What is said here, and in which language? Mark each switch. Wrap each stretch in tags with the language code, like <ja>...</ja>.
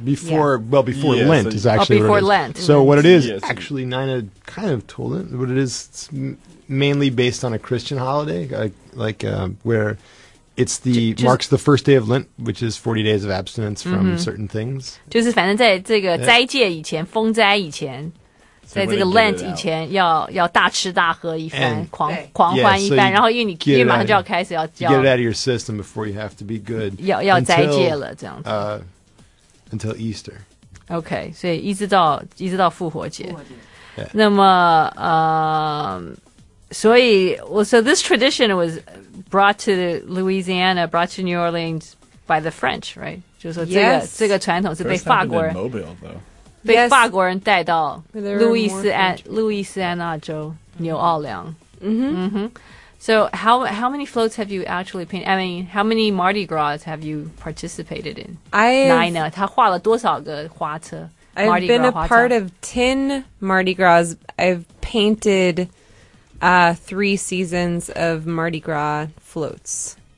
<en>Before Lent is actually Before what Lent. So what it is, yes. Actually, Nina kind of told it, but it is mainly based on a Christian holiday, like where It's the 就, marks the first day of Lent, which is 40 days of abstinence from、mm-hmm. certain things.</en> <zh>就是反正在这个斋戒以前、 yeah. 封斋以前在这个 Lent 以前要大吃大喝一番</zh> <en>and,</en> <zh>狂欢一番</zh> <en>yeah,、so、</en> <zh>然后因为你马上就要开始要</zh> <en>get it out of your system before you have to be good</en> <zh>要斋戒了这样子、</zh> <en>until Easter</en> <zh>OK 所以一直到复活节、</zh> <en>yeah. 那么所以 well, So this tradition was brought to Louisiana brought to New Orleans by the French right 就是说这个、</en> <zh>这个传统是被法国人</zh> <en>First time in Mobile though</en> <zh>被法国人带到路易斯安那州纽奥良。</zh> <en>So how many floats have you actually painted? I mean, how many Mardi Gras have you participated in? Nine.</en> <zh>他画了多少个花车</zh> <en>？I've Mardi been Gras a part of 10 Mardi Gras. I've painted three seasons of Mardi Gras floats.</en>